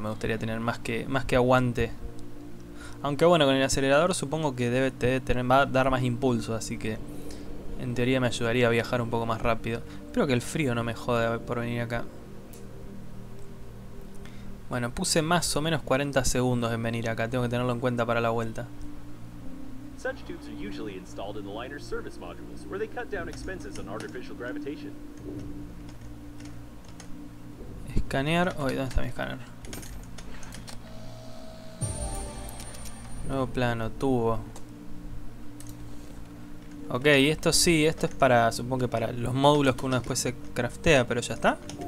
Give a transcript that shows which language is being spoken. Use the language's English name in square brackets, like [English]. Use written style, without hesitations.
[Spanish] Me gustaría tener más que aguante. Aunque bueno, con el acelerador supongo que va a dar más impulso, así que en teoría me ayudaría a viajar un poco más rápido. Espero que el frío no me jode por venir acá. Bueno, puse más o menos 40 segundos en venir acá. Tengo que tenerlo en cuenta para la vuelta. [English] Such tubes are usually installed in the liner's service modules, where they cut down expenses on artificial gravitation. [Spanish] Escanear. Oh, ¿dónde está mi escáner? Nuevo plano, tubo. Ok, esto sí, esto es para, supongo que para los módulos que uno después se craftea, pero ya está.